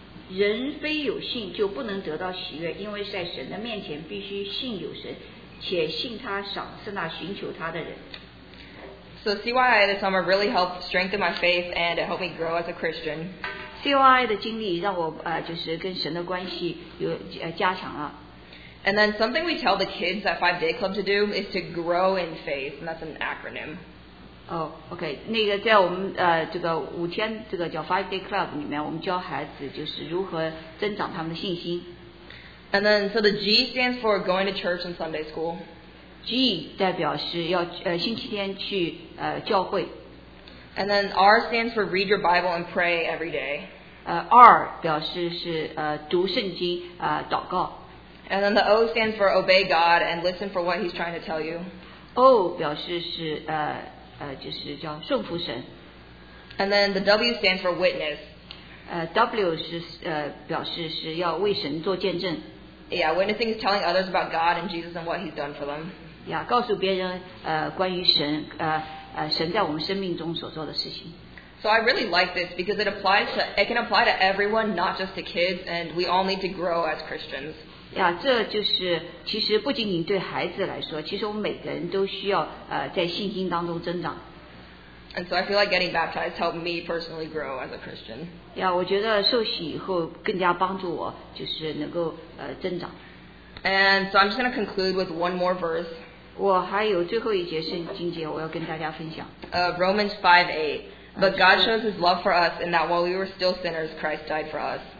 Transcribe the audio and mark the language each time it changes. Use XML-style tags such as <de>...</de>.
<zh>人非有信就不能得到喜悦，因为在神的面前必须信有神，且信他赏赐那寻求他的人。</zh> <en>So CYI this summer really helped strengthen my faith and it helped me grow as a Christian.</en> <zh>CYI 的经历让我就是跟神的关系有加强了。</zh> <en>And then something we tell the kids at 5-day club to do is to grow in faith, and that's an acronym. Oh, okay.</en> <zh>那个在我们这个五天这个叫 Five Day Club 里面，我们教孩子就是如何增长他们的信心。</zh> <en>And then, so the G stands for going to church and Sunday school.</en> <zh>G 代表是要星期天去教会。</zh> <en>And then R stands for read your Bible and pray every day.</en> <zh>R 表示是读圣经祷告。</zh> <en>And then the O stands for obey God and listen for what He's trying to tell you.</en> <zh>O 表示是就是叫顺服神。</zh> <en>And then the W stands for witness.</en> <zh>W 是表示是要为神做见证。</zh> <en>Yeah, witnessing is telling others about God and Jesus and what He's done for them.</en> <zh>Yeah, 告诉别人关于神神在我们生命中所做的事情。</zh> <en>So I really like this because it can apply to everyone, not just to kids, and we all need to grow as Christians.</en> <zh>Yeah, 这就是其实不仅仅对孩子来说，其实我们每个人都需要在信心当中增长。</zh> <en>And so I feel like getting baptized helped me personally grow as a Christian.</en> <zh>Yeah, 我觉得受洗以后更加帮助我就是能够增长。</zh> <en>And so I'm just going to conclude with one more verse.</en> <zh>我还有最后一节圣经节我要跟大家分享。</zh> <en>Romans 5:8. But God shows His love for us in that while we were still sinners, Christ died for us.</en>